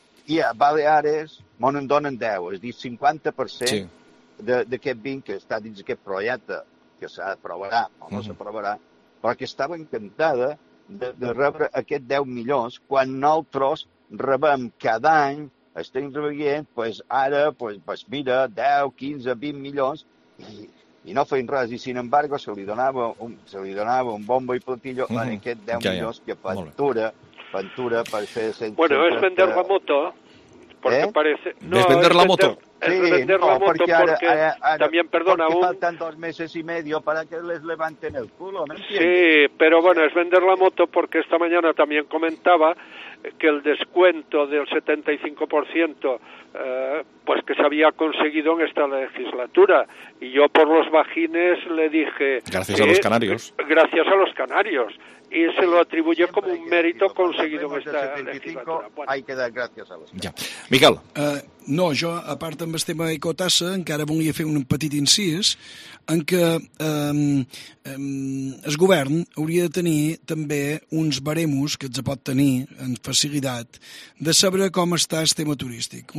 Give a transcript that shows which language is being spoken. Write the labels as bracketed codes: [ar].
[ca] I a Baleares m'en donen 10, és a dir, 50% d'aquest 20 que està dins aquest projecte, que s'aprovarà o no s'aprovarà, però que estava encantada de rebre aquest 10 milions quan nosaltres rebem cada any, estem rebent, pues ara, pues mira, 10, 15, 20 milions i no feien res. I, [es] sin embargo, [ca] se li donava un bombo i platillo en aquest 10 milions, que pintura per fer... Bueno, és [es] vender la moto, [ca] perquè [es] parece... [ca] No, és [es] vender la moto. Porque faltan 2 meses y medio para que les levanten el culo, ¿me entiendes? Sí, pero bueno, es vender la moto porque esta mañana también comentaba que el descuento del 75% pues que se había conseguido en esta legislatura. Y yo por los bajines le dije... Gracias a los canarios. Gracias a los canarios. Y se lo atribuye como un mérito conseguido en esta legislatura. Hay que dar gracias a los canarios. Ja. Miquel. [ca] No, jo, a part amb el tema Ecotassa, encara volia fer un petit incís en que el govern hauria de tenir també uns baremos que ens pot tenir en facilitat de saber com està el tema turístic.